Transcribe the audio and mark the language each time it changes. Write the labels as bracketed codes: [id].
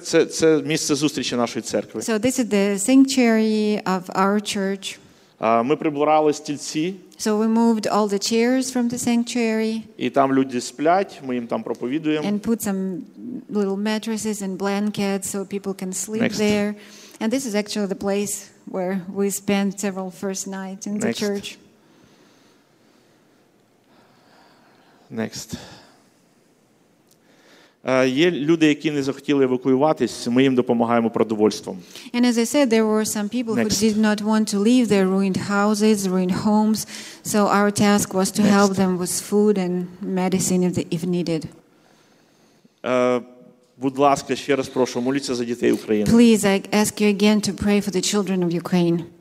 [uk] Це місце зустрічі нашої церкви. [en] So this is the sanctuary of our church. [uk] Ми прибирали стільці. [en] So we moved all the chairs from the sanctuary. [uk] І там люди сплять, ми їм там проповідуємо. [en] And put some little mattresses and blankets so people can sleep Next. There. And this is actually the place where we spent several first nights in the Next. Church. Next. [uk] Є люди, які не захотіли евакуюватись, ми їм допомагаємо продовольством. [en] And as I said, there were some people Next. Who did not want to leave their ruined houses, ruined homes, so our task was to Next. Help them with food and medicine if needed. [uk] Будь ласка, ще раз прошу, моліться за дітей України. [en] Please, I ask you again to pray for the children of Ukraine.